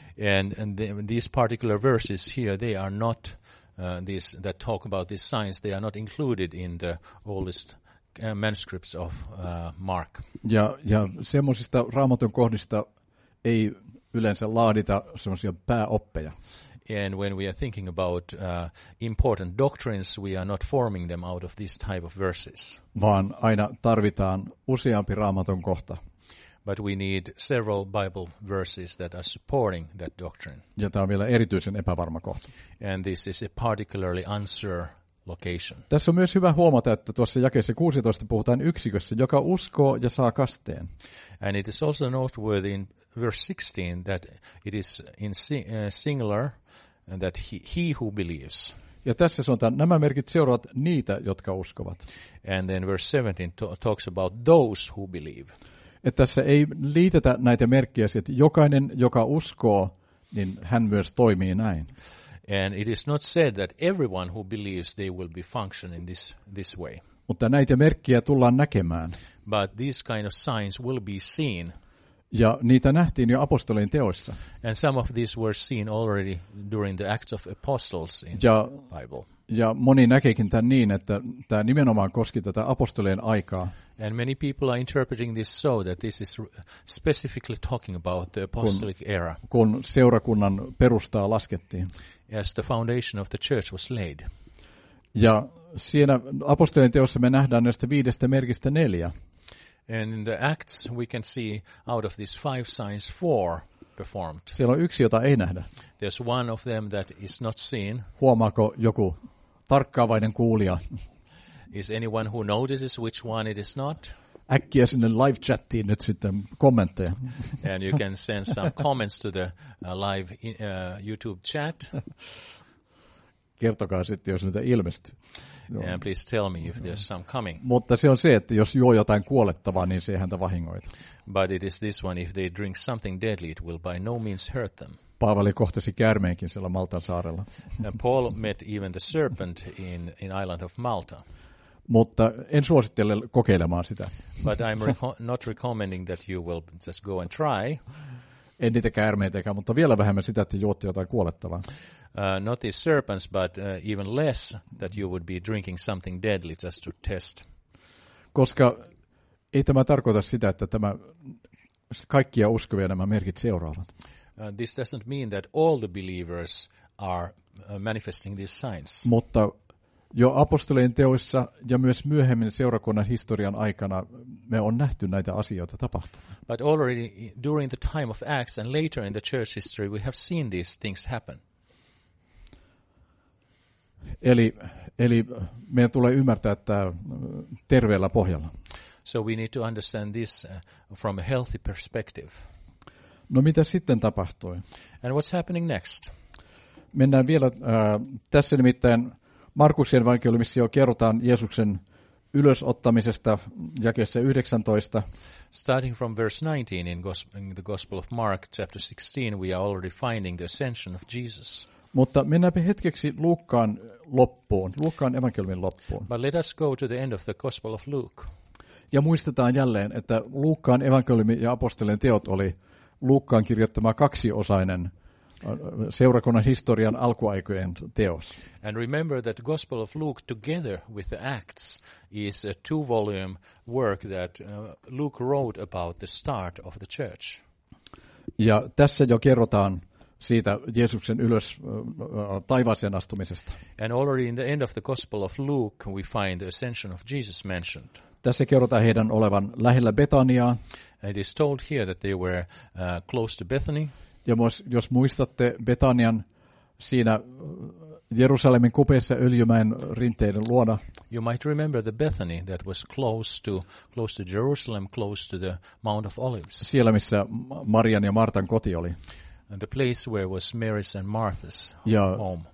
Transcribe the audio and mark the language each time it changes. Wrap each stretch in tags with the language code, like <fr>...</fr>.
<en>These particular verses here, they are not these that talk about these signs, they are not included in the oldest manuscripts of Mark.</en> <fi>Ja semmoisista Raamatun kohdista ei yleensä laadita semmoisia pääoppeja.</fi> <en>And when we are thinking about important doctrines, we are not forming them out of these type of verses.</en> <fi>Vaan aina tarvitaan useampi Raamatun kohta.</fi> <en>But we need several Bible verses that are supporting that doctrine.</en> <fi>Ja tämä on vielä erityisen epävarma kohta.</fi> <en>And this is a particularly unsure location.</en> <fi>Tässä on myös hyvä huomata, että tuossa jakeessa 16 puhutaan yksikössä, joka uskoo ja saa kasteen.</fi> <en>And it is also noteworthy in verse 16 that it is in singular that he who believes.</en> <fi>Ja tässä sanotaan, nämä merkit seuraavat niitä, jotka uskovat.</fi> <en>And then verse 17 talks about those who believe.</en> <fi>Et tässä ei liitetä näitä merkkejä, että jokainen, joka uskoo, niin hän myös toimii näin.</fi> <en>And it is not said that everyone who believes they will be functioning this way.</en> <fi>Mutta näitä merkkejä tullaan näkemään.</fi> <en>But these kind of signs will be seen.</en> <fi>Ja niitä nähtiin jo apostolien teoissa.</fi> <en>And some of these were seen already during the Acts of Apostles in the Bible.</en> <fi>Ja moni näkeekin tämän niin, että tämä nimenomaan koski tätä apostolien aikaa.</fi> <en>And many people are interpreting this so that this is specifically talking about the apostolic era.</en> <fi>Kun seurakunnan perustaa laskettiin.</fi> <en>As the foundation of the church was laid.</en> <fi>Ja siinä apostolien teossa me nähdään näistä viidestä merkistä neljä.</fi> <en>And in the Acts we can see out of these five signs four performed.</en> <fi>Siellä on yksi, jota ei nähdä.</fi> <en>There's one of them that is not seen.</en> <fi>Huomaako joku tarkkaavainen kuulija?</fi> <en>Is anyone who notices which one it is not?</en> <fi>Äkkiä sinne live chattiin nyt sitten kommentteja.</fi> <en>And you can send some comments to the live YouTube chat.</en> <fi>Kertokaa sitten, jos niitä ilmestyy.</fi> <en>And please tell me if there's some coming.</en> <fi>Mutta se on se, että jos juo jotain kuolettavaa, niin se ei häntä vahingoita.</fi> <en>But it is this one, if they drink something deadly, it will by no means hurt them.</en> <fi>Paavali kohtasi käärmeenkin siellä Maltan saarella.</fi> <en>And Paul met even the serpent in island of Malta.</en> <fi>Mutta en suosittele kokeilemaan sitä.</fi> <en>But I'm not recommending that you will just go and try.</en> <fi>En niitä käärmeitäkään, mutta vielä vähemmän sitä, että juotte jotain kuolettavaa.</fi> <en>Not these serpents, but even less that you would be drinking something deadly just to test.</en> <fi>Koska ei tämä tarkoita sitä, että tämä kaikkia uskovia nämä merkit seuraavat.</fi> <en>This doesn't mean that all the believers are manifesting these signs.</en> <fi>Mutta jo apostolien teoissa ja myös myöhemmin seurakunnan historian aikana me on nähty näitä asioita tapahtua.</fi> <en>But already during the time of Acts and later in the church history we have seen these things happen.</en> <fi>Eli meidän tulee ymmärtää että terveellä pohjalla.</fi> <en>So we need to understand this from a healthy perspective.</en> <fi>No mitä sitten tapahtui?</fi> <en>And what's happening next?</en> <fi>Mennään vielä tässä nimittäin Markuksen evankeliumissa jo kerrotaan Jeesuksen ylösottamisesta jakeessa 19.</fi> <en>Starting from verse 19 in the Gospel of Mark chapter 16 we are already finding the ascension of Jesus.</en> <fi>Mutta mennäänpä hetkeksi Luukkaan loppuun, Luukkaan evankeliumin loppuun.</fi> <en>But let us go to the end of the Gospel of Luke.</en> <fi>Ja muistetaan jälleen, että Luukkaan evankeliumi ja apostolien teot oli Luukkaan kirjoittama kaksiosainen seurakunnan historian alkuaikojen teos.</fi> <en>And remember that Gospel of Luke together with the Acts is a two-volume work that Luke wrote about the start of the church.</en> <fi>Ja tässä jo kerrotaan siitä Jeesuksen ylös taivaaseen astumisesta.</fi> <en>And already in the end of the Gospel of Luke we find the ascension of Jesus mentioned.</en> <fi>Tässä kerrotaan heidän olevan lähellä Betaniaa.</fi> <en>It is told here that they were close to Bethany.</en> <fi>Ja jos muistatte Betanian siinä Jerusalemin kupeessa Öljymäen rinteiden luona.</fi> <en>You might remember the Bethany that was close to Jerusalem, close to the Mount of Olives.</en> <fi>Siellä missä Marian ja Martan koti oli.</fi> <en>And the place where was Mary's and Martha's home.</en>